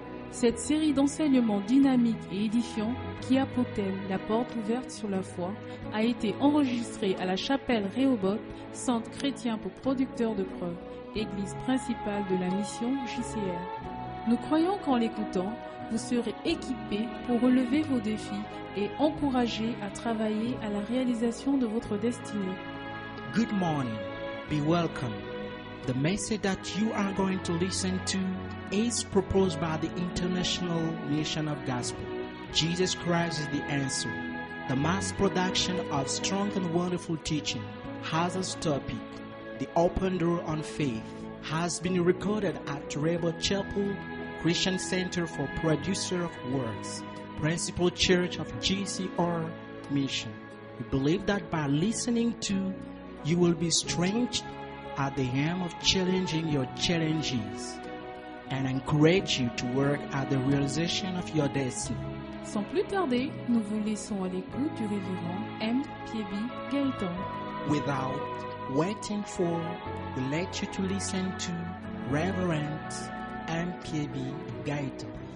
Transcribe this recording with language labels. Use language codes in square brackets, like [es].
[fr] Cette série d'enseignements dynamiques et édifiants qui a pour thème la porte ouverte sur la foi a été enregistrée à la chapelle Rehoboth, centre chrétien pour producteurs de preuves, église principale de la Mission JCR. Nous croyons qu'en l'écoutant, vous serez équipés pour relever vos défis et encouragés à travailler à la réalisation de votre destinée. [en] Good morning. Be welcome. The message that you are going to listen to is proposed by the International Mission of Gospel. Jesus Christ is the answer. The mass production of strong and wonderful teaching has a topic, the open door on faith, has been recorded at Rehoboth Chapel, Christian Center for Producer of Works, Principal Church of GCR Mission. We believe that by listening to, you will be strengthened at the aim of challenging your challenges and encourage you to work at the realization of your destiny. [fr] Sans plus tarder, nous vous laissons à l'écoute du révérend M. Piebi Gaëtan. [en] Without waiting for, we let you to listen to Reverend M. Piebi Gaëtan.